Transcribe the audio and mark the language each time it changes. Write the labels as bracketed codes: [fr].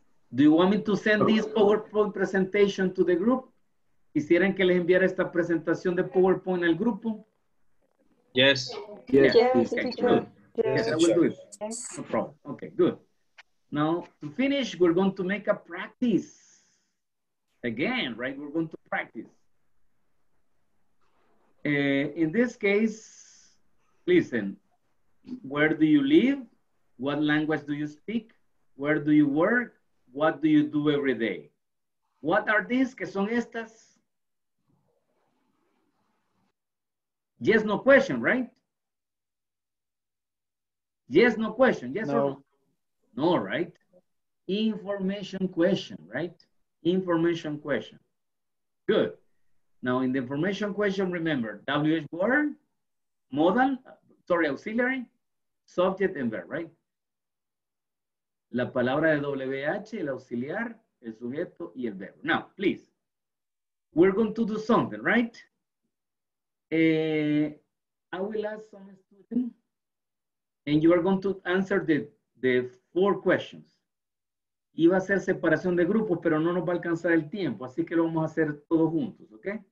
[en] Do you want me to send this PowerPoint presentation to the group? [es] ¿Quisieran que les enviara esta presentación de PowerPoint al grupo? [en] Yes. Yes, yes, okay. Yes, yes, I will do it. No problem. Okay, good. Now, to finish, we're going to make a practice. Again, right? We're going to practice. In this case, listen. Where do you live? What language do you speak? Where do you work? What do you do every day? What are these? [es] ¿Qué son estas? [en] Yes, no question, right? Yes, no question. Yes, no. Or no? No, right? Information question, right? Information question. Good. Now, in the information question, remember, WH word, modal, sorry, auxiliary, subject and verb, right? [es] La palabra de WH, el auxiliar, el sujeto y el verbo. [en] Now, please. We're going to do something, right? I will ask some students. And you are going to answer the four questions. [es] Iba a ser separación de grupos, pero no nos va a alcanzar el tiempo. Así que lo vamos a hacer todos juntos, ¿ok?